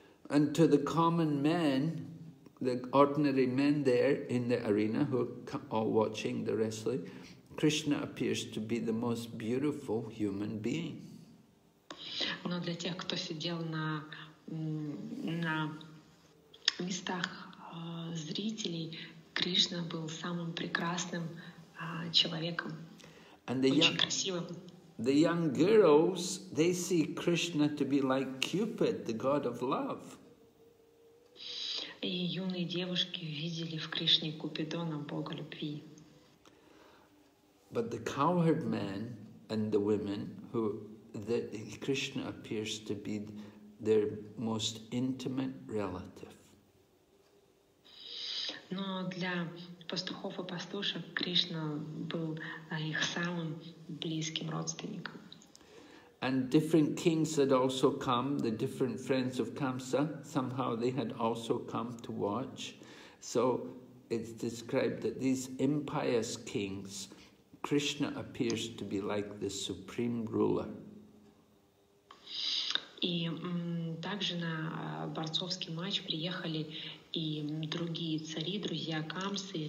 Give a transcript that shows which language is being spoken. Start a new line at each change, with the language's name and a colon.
English: And to the common men, the ordinary men there in the arena who are all watching the wrestling, Krishna appears to be the most beautiful human being.
Russian: Но для тех, кто сидел на местах зрителей, Кришна был самым прекрасным человеком, очень красивым.
English: The young girls, they see Krishna to be like Cupid, the god of love.
Russian: И юные девушки видели в Кришне Купидона, бога любви.
English: But the cowherd men and the women who that Krishna appears to be their most intimate relative.
Russian: Но для пастухов и пастушек Кришна был их самым близким родственником.
English: And different kings had also come, the different friends of Kamsa, somehow they had also come to watch. So it's described that these impious kings, Krishna appears to be like the supreme ruler.
Russian: И также на борцовский матч приехали и другие цари, друзья Камсы.